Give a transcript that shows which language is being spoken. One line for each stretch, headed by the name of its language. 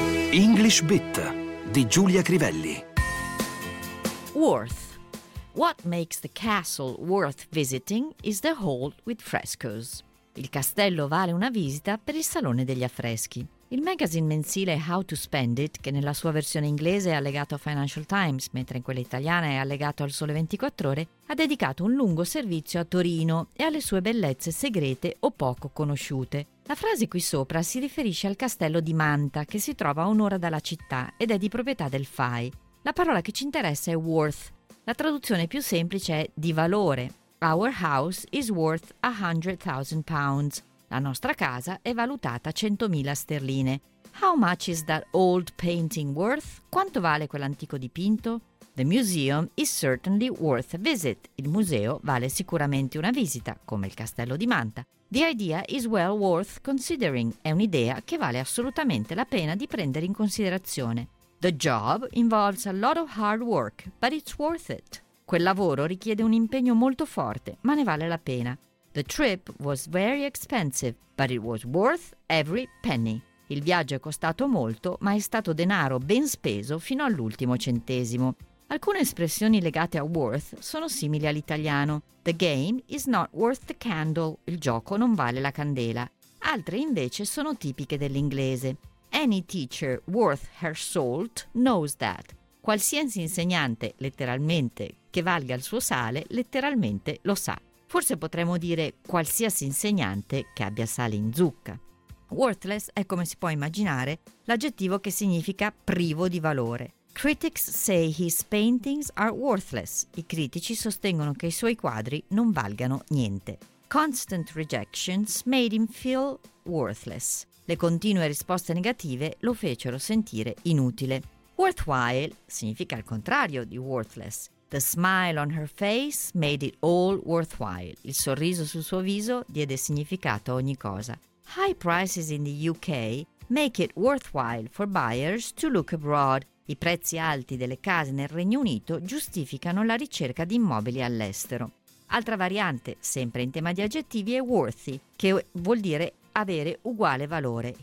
Italian: English Bit di Giulia Crivelli.
English: Worth. What makes the castle worth visiting is the hall with frescoes.
Italian: Il castello vale una visita per il salone degli affreschi. Il magazine mensile How to Spend It, che nella sua versione inglese è allegato a Financial Times, mentre in quella italiana è allegato al Sole 24 Ore, ha dedicato un lungo servizio a Torino e alle sue bellezze segrete o poco conosciute. La frase qui sopra si riferisce al castello di Manta, che si trova a un'ora dalla città ed è di proprietà del FAI. La parola che ci interessa è worth. La traduzione più semplice è di valore.
English: Our house is worth 100,000 pounds.
Italian: La nostra casa è valutata 100,000 sterline.
English: How much is that old painting worth?
Italian: Quanto vale quell'antico dipinto?
English: The museum is certainly worth a visit.
Italian: Il museo vale sicuramente una visita, come il castello di Manta.
English: The idea is well worth considering.
Italian: È un'idea che vale assolutamente la pena di prendere in considerazione.
English: The job involves a lot of hard work, but it's worth it.
Italian: Quel lavoro richiede un impegno molto forte, ma ne vale la pena.
English: The trip was very expensive, but it was worth every penny.
Italian: Il viaggio è costato molto, ma è stato denaro ben speso fino all'ultimo centesimo. Alcune espressioni legate a worth sono simili all'italiano.
English: The game is not worth the candle.
Italian: Il gioco non vale la candela. Altre invece sono tipiche dell'inglese.
English: Any teacher worth her salt knows that.
Italian: Qualsiasi insegnante, letteralmente, che valga il suo sale, letteralmente lo sa. Forse potremmo dire qualsiasi insegnante che abbia sale in zucca. Worthless è, come si può immaginare, l'aggettivo che significa privo di valore.
English: Critics say his paintings are worthless.
Italian: I critici sostengono che i suoi quadri non valgano niente.
English: Constant rejections made him feel worthless.
Italian: Le continue risposte negative lo fecero sentire inutile. Worthwhile significa il contrario di worthless.
English: The smile on her face made it all worthwhile.
Italian: Il sorriso sul suo viso diede significato a ogni cosa.
English: High prices in the UK make it worthwhile for buyers to look abroad.
Italian: I prezzi alti delle case nel Regno Unito giustificano la ricerca di immobili all'estero. Altra variante, sempre in tema di aggettivi, è worthy, che vuol dire avere uguale valore.